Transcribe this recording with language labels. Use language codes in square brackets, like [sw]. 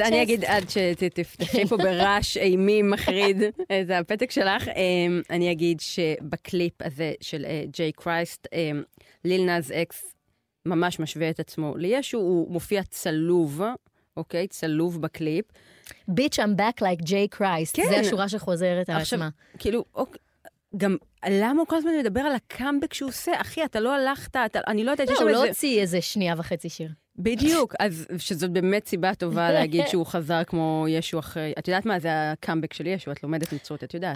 [he] אני אגיד עד שתפתחי פה ברעש אימי מחריד את הפתק שלך, אני אגיד שבקליפ הזה של ג'יי קרייסט, ליל נאס אקס ממש משווה את עצמו לישו, הוא מופיע צלוב, אוקיי, צלוב בקליפ. [en] Bitch, I'm back like ג'יי קרייסט. [he] זה השורה שחוזרת על עצמה. כאילו, אוקיי. גם למה הוא כל הזמן מדבר על הקאמבק שהוא עושה? אחי, אתה לא הלכת, אני לא יודעת... לא, הוא לא הוציא איזה שנייה וחצי שיר. בדיוק, אז שזאת באמת סיבה טובה להגיד שהוא חזר כמו ישו אחרי... את יודעת מה זה הקאמבק של ישו? את לומדת נצרות, את יודעת.